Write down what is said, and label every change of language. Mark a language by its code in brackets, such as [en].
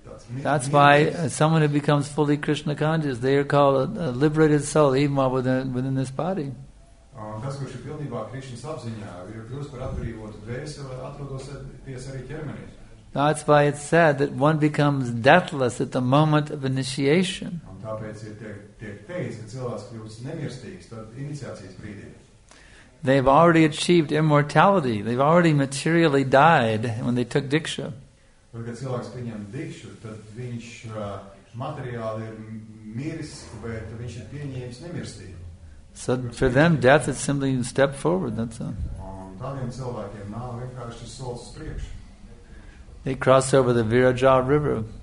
[en] That's why someone who becomes fully Krishna conscious, they are called a liberated soul, even while within this body. [lv] Tas, kurš ir pilnībā Krišņas apziņā, ir kļūst par atbrīvotu dvēseli, atrodoties arī ķermenī. [en] That's why it's said that one becomes deathless at the moment of initiation. [lv] Un tāpēc ir tiek teikts, ka cilvēks kļūst nemirstīgs tad iniciācijas brīdī. [en] They've already achieved immortality. They've already materially died when they took diksha. [lv] Tad, kad cilvēks pieņem dikšu, tad viņš materiāli ir miris, bet viņš ir pieņēmis nemirstību. [en] So for them, death is simply a step forward, that's all. [lv] Tādiem cilvēkiem nav vienkārši solis uz priekšu. [en] They cross over the Viraja River.